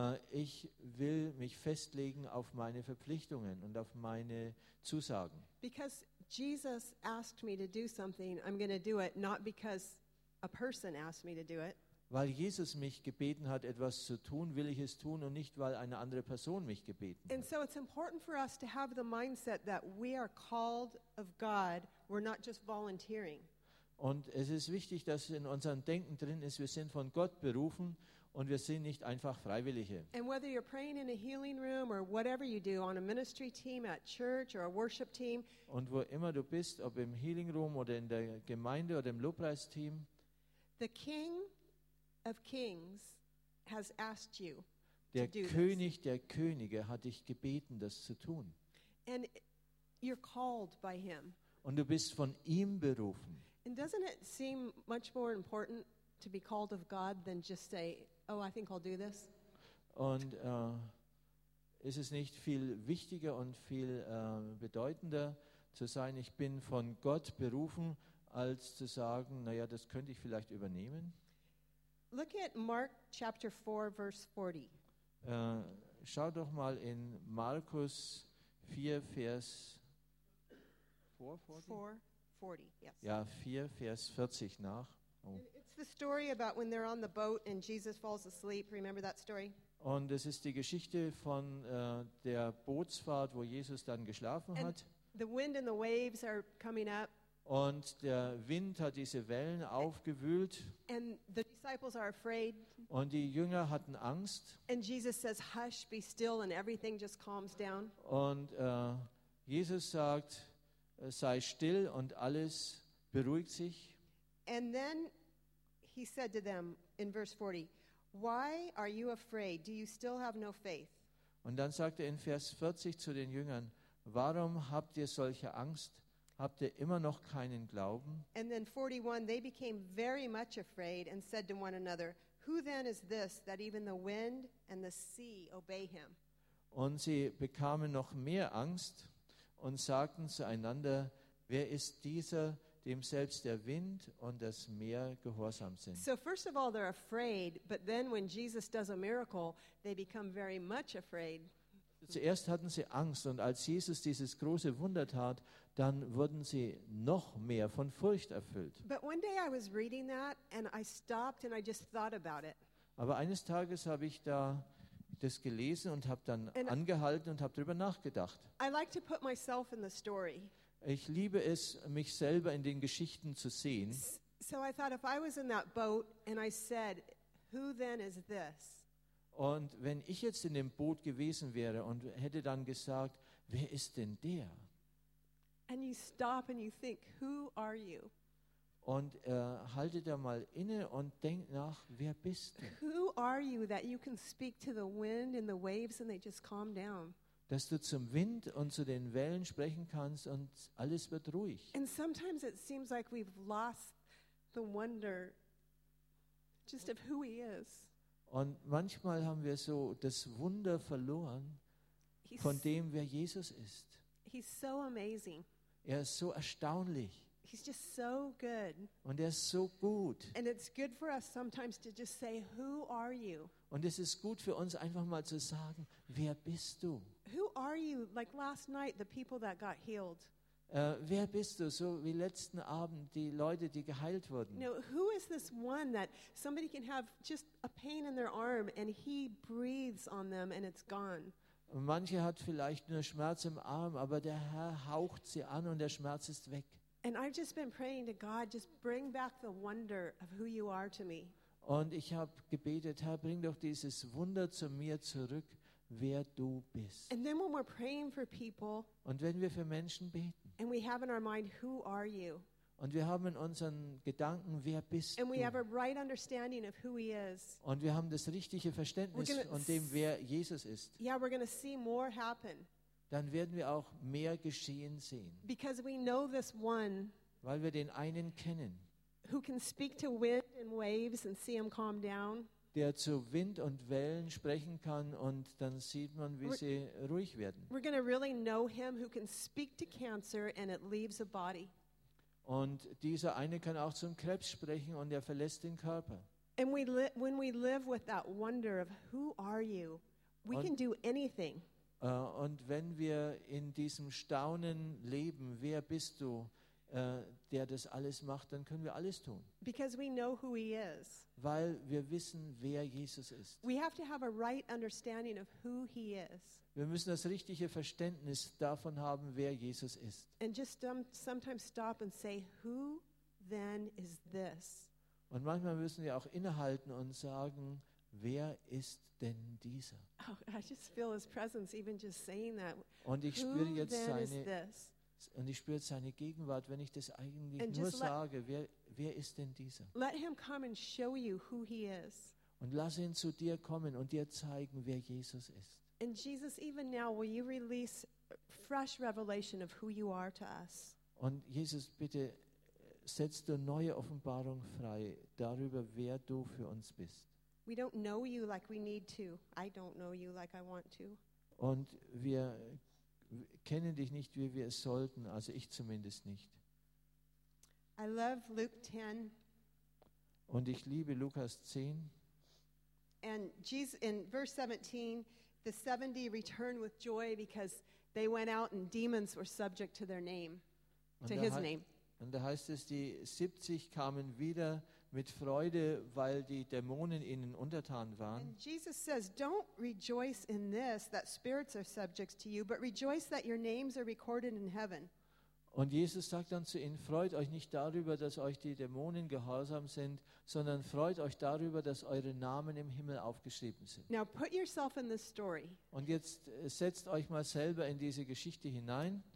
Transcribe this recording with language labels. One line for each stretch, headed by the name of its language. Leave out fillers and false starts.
German: Ich will mich festlegen auf meine Verpflichtungen und auf meine Zusagen.
English: Because Jesus asked me to do something, I'm going to do it, not because a person asked me to do it.
German: Weil Jesus mich gebeten hat, etwas zu tun, will ich es tun und nicht, weil eine andere Person mich gebeten hat.
English: And so it's important for us to have the mindset that we are called of God. We're not just volunteering.
German: Und es ist wichtig, dass in unserem Denken drin ist, wir sind von Gott berufen und wir sind nicht einfach Freiwillige.
English: And whether you're praying in a healing room or whatever you do on a ministry team at church or a worship team.
German: Und wo immer du bist, ob im Healing Room oder in der Gemeinde oder im Lobpreisteam.
English: The King of Kings has asked you
German: der
English: to do
German: König
English: this.
German: Der Könige hat dich gebeten, das zu tun.
English: And you're called by him.
German: Und du bist von ihm berufen.
English: And doesn't it seem much more important to be called of God than just say, oh, I think I'll do this?
German: Und ist es nicht viel wichtiger und viel bedeutender zu sein, ich bin von Gott berufen, als zu sagen, naja, das könnte ich vielleicht übernehmen?
English: Look at Mark chapter 4, verse 40.
German: Schau doch mal in Markus 4, Vers 440, yes. Ja, 4, Vers 40 nach.
English: It's the story about when they're on the boat and Jesus falls asleep. Remember that story?
German: Und es ist die Geschichte von der Bootsfahrt, wo Jesus dann geschlafen hat.
English: The wind and the waves are coming up.
German: Und der Wind hat diese Wellen aufgewühlt.
English: And the disciples are afraid.
German: Und die Jünger hatten Angst.
English: And Jesus says, "Hush, be still," and everything just calms down.
German: Und Jesus sagt, sei still und alles beruhigt sich.
English: And then he said to them in verse 40, "Why are you afraid? Do you still have no faith?"
German: Und dann sagt er in Vers 40 zu den Jüngern, warum habt ihr solche Angst? Habt ihr immer noch keinen Glauben?
English: And then 41, they became very much afraid and said to one another, "Who then is this that even the wind and the sea obey him?"
German: Und sie bekamen noch mehr Angst und sagten zueinander, wer ist dieser, dem selbst der Wind und das Meer gehorsam sind?
English: So first of all, they're afraid, but then when Jesus does a miracle, they become very much afraid.
German: Zuerst hatten sie Angst und als Jesus dieses große Wunder tat, dann wurden sie noch mehr von Furcht erfüllt.
English: But one day I was reading that and I stopped and I just thought about it.
German: Aber eines Tages habe ich da das gelesen und habe dann and angehalten und habe darüber nachgedacht.
English: I like to put myself in the story.
German: Ich liebe es, mich selber in den Geschichten zu sehen.
English: So I thought, if I was in that boat and I said, who then is this?
German: Und wenn ich jetzt in dem Boot gewesen wäre und hätte dann gesagt, wer ist denn der?
English: And you stop and you think, who are you?
German: Und halte da mal inne und denk nach, wer bist du?
English: Who are you that you can speak to the wind and the waves and they just calm down?
German: Dass du zum Wind und zu den Wellen sprechen kannst und alles wird ruhig.
English: And sometimes it seems like we've lost the wonder just of who he is.
German: Und manchmal haben wir so das Wunder verloren von dem, wer Jesus ist.
English: He's so amazing.
German: Er ist so erstaunlich.
English: He's just so good.
German: Und er ist so gut.
English: And it's good for us sometimes to just say, who are you?
German: Und es ist gut für uns einfach mal zu sagen, wer bist du?
English: Who are you? Like last night, the people that got healed.
German: Wer bist du? So wie letzten Abend die Leute, die geheilt wurden.
English: No, who is this one that somebody can have just a pain in their arm and he breathes on them and it's gone?
German: Manche hat vielleicht nur Schmerz im Arm, aber der Herr haucht sie an und der Schmerz ist weg.
English: And I've just been praying to God, just bring back the wonder of who you are to me.
German: Und ich habe gebetet, Herr, bring doch dieses Wunder zu mir zurück. Wer du bist.
English: And then when we're praying for people,
German: und wenn wir für Menschen beten,
English: and we have in our mind, who are you?
German: Und wir haben in unseren Gedanken, wer bist
English: and
German: du?
English: We have a right understanding of who he is.
German: Und wir haben das richtige Verständnis von dem, wer Jesus ist.
English: Yeah, we're gonna see more happen.
German: Dann werden wir auch mehr geschehen sehen.
English: Because we know this one,
German: weil wir den einen kennen,
English: who can speak to wind and waves and see him calm down.
German: Der zu Wind und Wellen sprechen kann und dann sieht man, wie sie ruhig werden.
English: We're going to really know him who can speak to cancer and it leaves a body.
German: Und dieser eine kann auch zum Krebs sprechen und er verlässt den Körper.
English: And when we live with that wonder of who are you, we can do anything.
German: Und wenn wir in diesem Staunen leben, wer bist du? Der das alles macht, dann können wir alles tun.
English: Because we know who he is.
German: Weil wir wissen, wer Jesus ist.
English: We have to have a right understanding of who he is.
German: Wir müssen das richtige Verständnis davon haben, wer Jesus ist.
English: And just sometimes stop and say, who then is this?
German: Und manchmal müssen wir auch innehalten und sagen, wer ist denn dieser?
English: Oh, I just feel his presence even just saying that.
German: Und ich spüre jetzt seine und ich spüre seine Gegenwart, wenn ich das eigentlich
English: and
German: nur sage, wer ist denn dieser?
English: Let him come and show you who he is.
German: Und lass ihn zu dir kommen und dir zeigen, wer Jesus ist.
English: And Jesus, even now, will you release fresh revelation of who you are to us?
German: Und Jesus, bitte setzt du neue Offenbarung frei darüber, wer du für uns bist.
English: We don't know you like we need to. I don't know you like I want to.
German: Und wir kennen dich nicht, wie wir es sollten, also ich zumindest nicht.
English: I love Luke 10.
German: Und ich liebe Lukas 10.
English: And Jesus, in verse 17, the 70 returned with joy because they went out and demons were subject to their name, to his name.
German: Und da heißt es, die 70 kamen wieder mit Freude, weil die Dämonen ihnen untertan waren.
English: And Jesus says, don't rejoice in this, that spirits are subject to you, but rejoice that your names are recorded in heaven.
German: Und Jesus sagt dann zu ihnen, freut euch nicht darüber, dass euch die Dämonen gehorsam sind, sondern freut euch darüber, dass eure Namen im Himmel aufgeschrieben sind.
English: Now put yourself in this story.
German: Und jetzt setzt euch mal selber in diese Geschichte hinein.